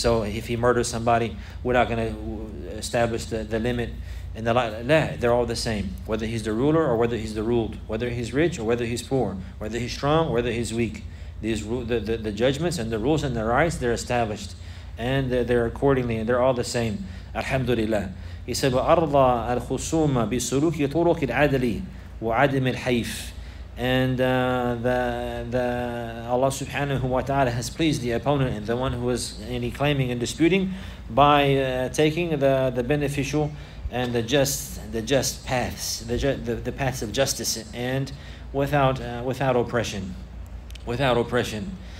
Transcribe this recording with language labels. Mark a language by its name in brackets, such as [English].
[English] So if he murders somebody, we're not going to establish the limit. And they're all the same, whether he's the ruler or whether he's the ruled, whether he's rich or whether he's poor, whether he's strong or whether he's weak. These the judgments and the rules and the rights, they're established. And they're accordingly, and they're all the same. Alhamdulillah. He said, [Arabic] وَأَرْضَى الْخُصُومَ بِسُلُوكِ طُرُوكِ الْعَدْلِ وَعَدْمِ الْحَيْفِ. [English] And the Allah subhanahu wa ta'ala has pleased the opponent and the one who is any claiming and disputing by taking the beneficial and the just paths, the paths of justice, and without oppression, without oppression.